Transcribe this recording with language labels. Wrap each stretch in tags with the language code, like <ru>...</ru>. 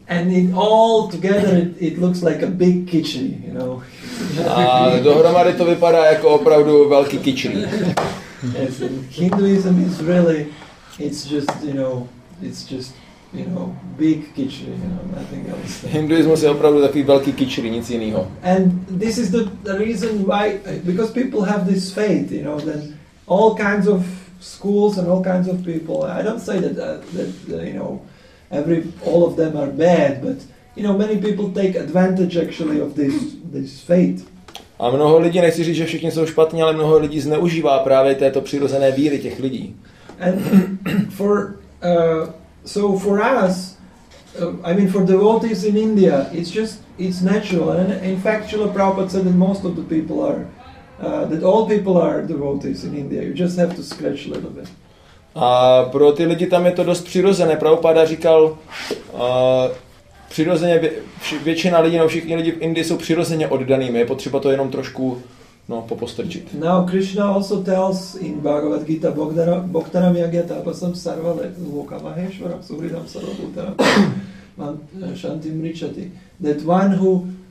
<en>And it all together it looks like a big kitchen, you know.</en> <cs>A dohromady to vypadá jako opravdu velký kitchen.</cs> <en>Yes, Hinduism is really, it's just, you know, big kitchen, you know, nothing else.</en> <cs>Hinduismus je opravdu takový velký kitchen, nic jiného.</cs> <en>And this is the reason why, because people have this faith, you know, that all kinds of schools and all kinds of people. I don't say that you know, all of them are bad, but you know, many people take advantage actually of this faith.</en> <cs>A mnoho lidí, nechci říct, že všichni jsou špatní, ale mnoho lidí zneužívá právě této přirozené víry těch lidí.</cs> <en>And for us, for devotees in India, it's natural. And in fact, Srila Prabhupada said that most of the people are, that all people are devotees in India. You just have to scratch a little bit.</en> <cs>A pro ty lidi tam je to dost přirozené. Prabhupada říkal, přirozeně většina lidí, nebo všichni lidi v Indii jsou přirozeně oddanými. Je potřeba to jenom trošku popostrčit.</cs> <en>Now Krishna also tells in Bhagavad Gita</en> <sa>Bhaktaram yagya tapasam sarva loka maheshwaram suhridam sarva bhutanam mam shantim richati,</sa> <en>that one who</en>